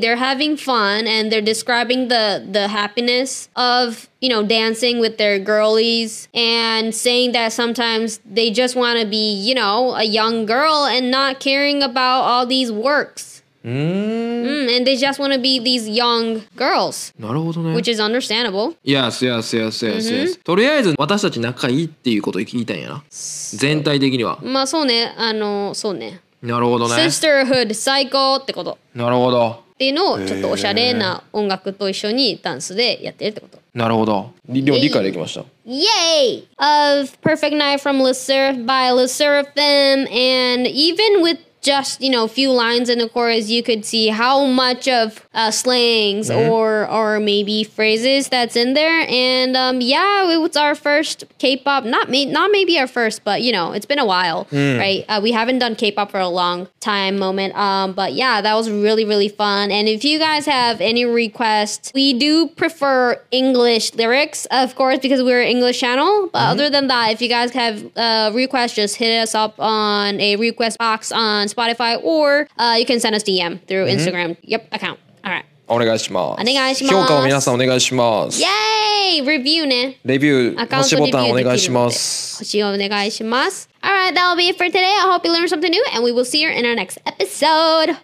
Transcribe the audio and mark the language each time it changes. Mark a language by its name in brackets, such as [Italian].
[English] They're having fun and they're describing the happiness of, you know, dancing with their girlies and saying that sometimes they just want to be, you know, a young girl and not caring about all these works. Mm-hmm. And they just want to be these young girls. [Japanese] なるほどね。 [English] Which is understandable. Yes, yes, yes, yes, yes.、Mm-hmm. [Japanese] とりあえず私たち仲いいっていうことを言いたいんやな。全体的には。まあそうね。あの、そうね。なるほどね。 Sisterhood 最高ってこと。なるほど。っていうのをちょっとおしゃれな音楽と一緒にダンスでやってるってこと。なるほど。でも理解できました。 [English] イエーイ !Of Perfect Night from Le Seraph by Le Seraphim and even withJust, you know, a few lines in the chorus, you could see how much of、slangs、mm-hmm. or maybe phrases that's in there. And、yeah, it was our first K-pop, not maybe our first, but you know, it's been a while,、 mm. right?、we haven't done K-pop for a long time moment.、but yeah, that was really, really fun. And if you guys have any requests, we do prefer English lyrics, of course, because we're an English channel. But、mm-hmm. other than that, if you guys have a request, just hit us up on a request box on,Spotify or、you can send us DM through、mm-hmm. Instagram yep account all right [Japanese] お願いします。お願いします。評価を皆さんお願いします。イエーイ、レビューね。レビュー、星ボタンお願いします。星をお願いします。 [English] All right, that'll be it for today. I hope you learned something new, and we will see you in our next episode.